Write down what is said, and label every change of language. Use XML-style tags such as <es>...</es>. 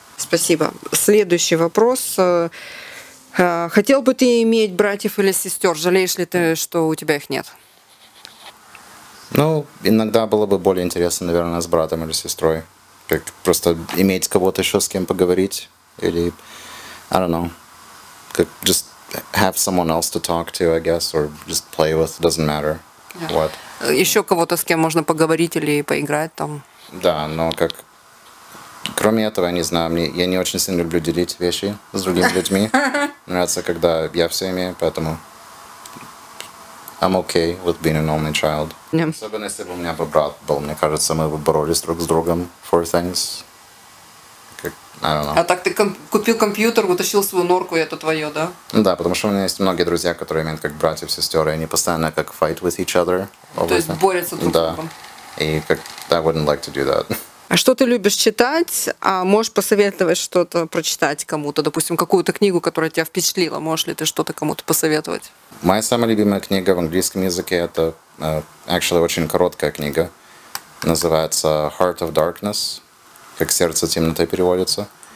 <ru>Спасибо. Следующий вопрос. Хотел бы ты иметь братьев или сестер? Жалеешь ли ты, что у тебя их нет? Ну, иногда было бы более интересно, наверное, с братом или сестрой. Как просто иметь кого-то еще, с кем поговорить. Или,</ru> <en>I don't know, как just have someone else to talk to, I guess, or just play with, doesn't matter what.</en> <ru>Еще кого-то, с кем можно поговорить или поиграть там. Да, но как... Кроме этого, я не знаю, мне, я не очень сильно люблю делить вещи с другими людьми. Нравится, когда я все имею, поэтому</ru> <en>I'm okay with being an only child.</en> <ru>Особенно, если бы у меня бы брат был. Мне кажется, мы бы боролись друг с другом</ru> <en>for things.</en> <ru>Как,</ru> <en>I don't know.</en> <ru>А так ты купил компьютер, утащил свою норку, и это твое, да? Да, потому что у меня есть многие друзья, которые имеют как братьев, сестер, и они постоянно как</ru> <en>fight with each other.</en> <ru>То есть борются друг с другом. И как</ru> <en>I wouldn't like to do that.</en> <ru>А что ты любишь читать? А можешь посоветовать что-то прочитать кому-то? Допустим, какую-то книгу, которая тебя впечатлила. Можешь ли ты что-то кому-то посоветовать? Моя самая любимая книга в английском языке – это,</ru> <en>actually,</en> <ru>очень короткая книга. Называется «Heart of Darkness», как «Сердце темноты» переводится.</ru>